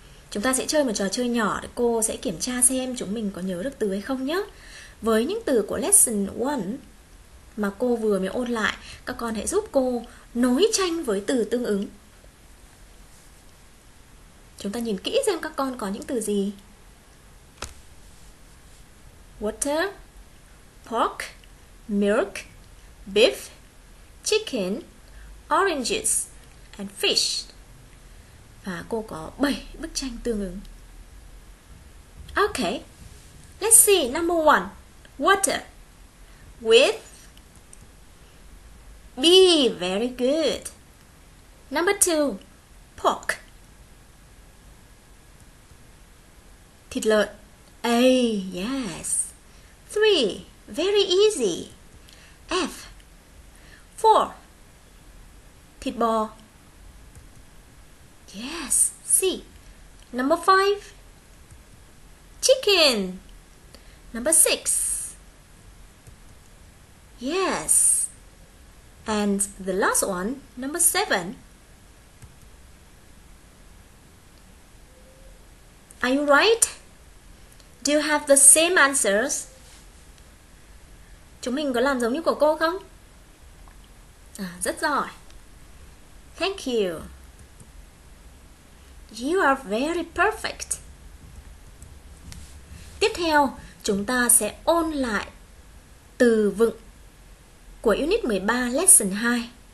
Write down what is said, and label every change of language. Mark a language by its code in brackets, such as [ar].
[vi] Chúng ta sẽ chơi một trò chơi nhỏ để cô sẽ kiểm tra xem chúng mình có nhớ được từ hay không nhé. với những từ của lesson 1 mà cô vừa mới ôn lại, các con hãy giúp cô nối tranh với từ tương ứng. Chúng ta nhìn kỹ xem các con có những từ gì. [en] Water, pork, milk, beef, chicken, oranges and fish. [vi] Và cô có 7 bức tranh tương ứng. [en] Okay, let's see number 1. Water with bee, very good. Number 2, pork, [vi] thịt lợn, [en] A, yes. 3, very easy, F. 4, [vi] thịt bò, [en] yes, C. Number 5, chicken. Number 6, yes. And the last one, number 7. Are you right? Do you have the same answers? [vi] Chúng mình có làm giống như của cô không? À, rất giỏi. [en] Thank you. You are very perfect. [vi] Tiếp theo, chúng ta sẽ ôn lại từ vựng của Unit 13, Lesson 2.